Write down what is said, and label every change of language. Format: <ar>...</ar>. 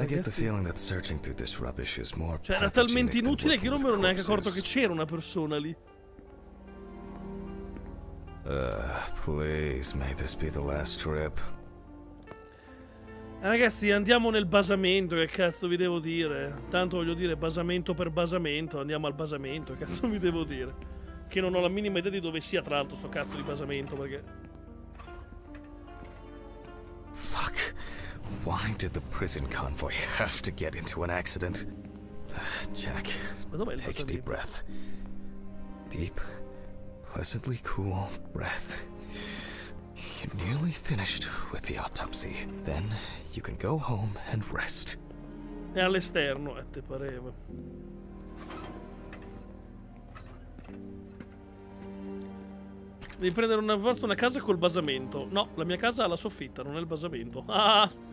<en>I get the feeling that searching through this rubbish is more.</en> <it>Cioè, era talmente inutile che io non me ero neanche accorto che c'era una persona lì.</it> <en>Please, may this be the last trip.</en> <it>Ragazzi, andiamo nel basamento, che cazzo vi devo dire? Tanto voglio dire, basamento per basamento, andiamo al basamento, che cazzo vi devo dire? Che non ho la minima idea di dove sia, tra l'altro, sto cazzo di basamento, perché...</it> <en>Fuck! Why did the prison convoy have to get into an accident? Jack,</en> <it>ma dov'è il</it> <en>take a deep breath. Deep, pleasantly cool breath. You're nearly finished with the autopsy. Then you can go home and rest.</en> <it>È all'esterno, a te pareva. Devi prendere una volta una casa col basamento. No, la mia casa ha la soffitta, non è il basamento. Ah!</it>